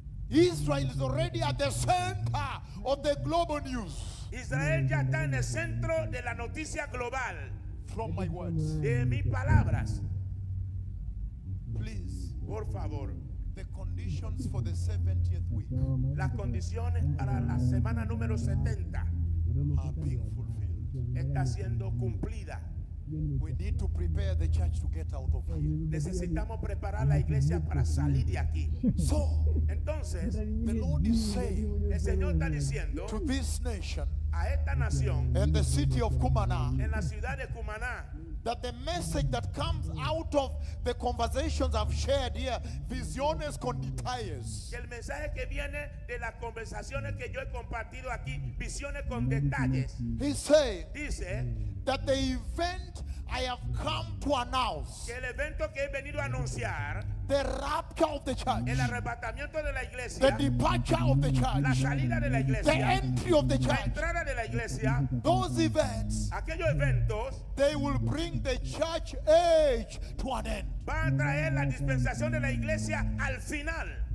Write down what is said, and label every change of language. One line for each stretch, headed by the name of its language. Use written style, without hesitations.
English: Israel is already at the center of the global news.
Spanish: Israel ya está en el centro de la noticia global.
English: From my words,
Spanish: de mis palabras.
English: Please,
Spanish: por favor,
English: the conditions for the 70th week,
Spanish: las condiciones para la semana número 70,
English: are being fulfilled.
Spanish: Está siendo cumplida.
English: We need to prepare the church to get out of here.
Spanish: Necesitamos preparar la iglesia para salir de aquí.
English: So,
Spanish: entonces,
English: the Lord is saying,
Spanish: el Señor está diciendo,
English: to this nation,
Spanish: a esta nación,
English: and the city of Cumaná,
Spanish: en la ciudad de Cumaná,
English: that the message that comes out of the conversations I've shared here,
Spanish: visiones con detalles. El mensaje que viene de las conversaciones que yo he compartido aquí, visiones con detalles.
English: He say,
Spanish: dice,
English: that the event I have come to announce,
Spanish: que el evento que he venido a anunciar,
English: the rapture of the church,
Spanish: el arrebatamiento de la iglesia,
English: the departure of the church,
Spanish: la salida de la iglesia,
English: the entry of the church,
Spanish: la entrada de la iglesia,
English: those events,
Spanish: aquellos eventos,
English: they will bring the church age to an end.
Spanish: Va a traer la dispensación de la iglesia al final.